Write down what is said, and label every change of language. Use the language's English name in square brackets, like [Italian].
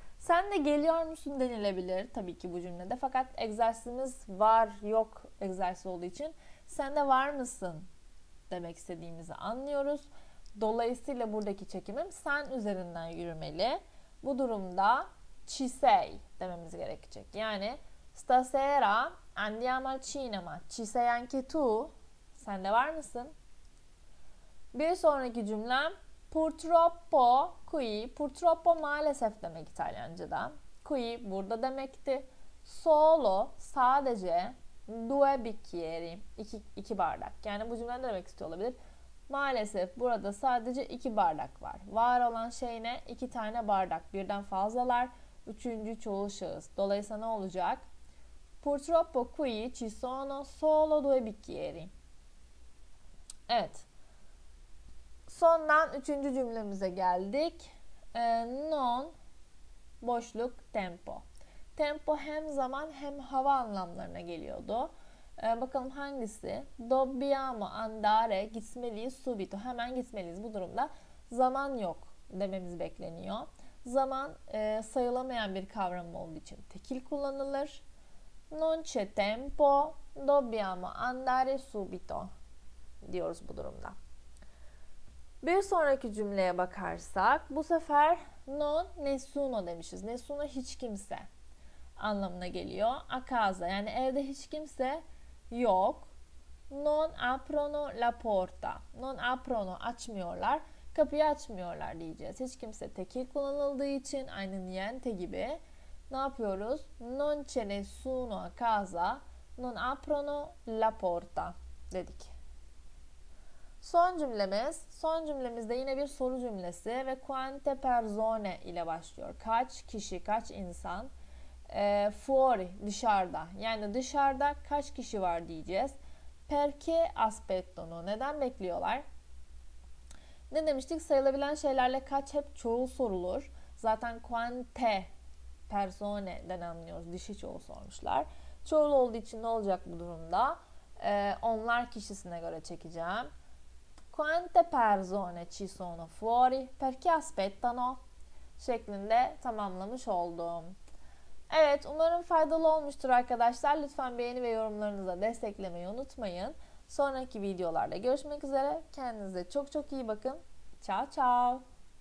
[Turkish] Sen de geliyor musun denilebilir tabii ki bu cümlede. Fakat egzersizimiz var yok egzersiz olduğu için sen de var mısın demek istediğimizi anlıyoruz. Dolayısıyla buradaki çekimim sen üzerinden yürümeli. Bu durumda [Italian] Ci sei [Turkish] dememiz gerekecek. [Italian] Yani stasera andiamo al cinema. Ci sei anche tu? [Turkish] Sen de var mısın? Bir sonraki cümlem [Italian] purtroppo qui. [Turkish] Purtroppo maalesef demek İtalyanca'da. Qui burada demekti. [Italian] Solo [Turkish] sadece [Italian] due bicchieri. [Turkish] İki bardak. Yani bu cümlede demek istiyor olabilir. Maalesef burada sadece iki bardak var. Var olan şey ne? İki tane bardak. Birden fazlalar. Üçüncü çoğul şahıs. Dolayısıyla ne olacak? [Italian] Purtroppo qui ci sono solo due bicchieri. [Turkish] Evet. Sondan üçüncü cümlemize geldik. Non boşluk tempo. Tempo hem zaman hem hava anlamlarına geliyordu. Bakalım hangisi? [Italian] Dobbiamo andare. [Turkish] Gitmeliyiz subito. Hemen gitmeliyiz. Bu durumda zaman yok dememiz bekleniyor. Zaman sayılamayan bir kavram olduğu için tekil kullanılır. [Italian] Non c'è tempo, dobbiamo andare subito [Turkish] diyoruz bu durumda. Bir sonraki cümleye bakarsak, bu sefer non nessuno demişiz. Nessuno hiç kimse anlamına geliyor. [Italian] A casa [Turkish] yani evde hiç kimse yok. [Italian] Non aprono la porta. Non aprono [Turkish] açmıyorlar. Kapıyı açmıyorlar diyeceğiz. Hiç kimse tekil kullanıldığı için aynı niente gibi. Ne yapıyoruz? [Italian] Non c'è nessuno a casa, non aprono la porta [Turkish] dedik. Son cümlemiz de yine bir soru cümlesi ve [Italian] quante persone [Turkish] ile başlıyor. Kaç kişi, kaç insan? Fuori, dışarıda. Yani dışarıda kaç kişi var diyeceğiz. [Italian] Perché aspettano? [Turkish] Neden bekliyorlar? Ne demiştik? Sayılabilen şeylerle kaç hep çoğul sorulur. Zaten [Italian] quante persone [Turkish] den anlıyoruz. Dişi çoğul sormuşlar. Çoğul olduğu için ne olacak bu durumda? Onlar kişisine göre çekeceğim. [Italian] Quante persone ci sono fuori? Perché aspettano? [Turkish] Şeklinde tamamlamış oldum. Evet, umarım faydalı olmuştur arkadaşlar. Lütfen beğeni ve yorumlarınızı desteklemeyi unutmayın. Sonraki videolarda görüşmek üzere. Kendinize çok çok iyi bakın. Ciao ciao.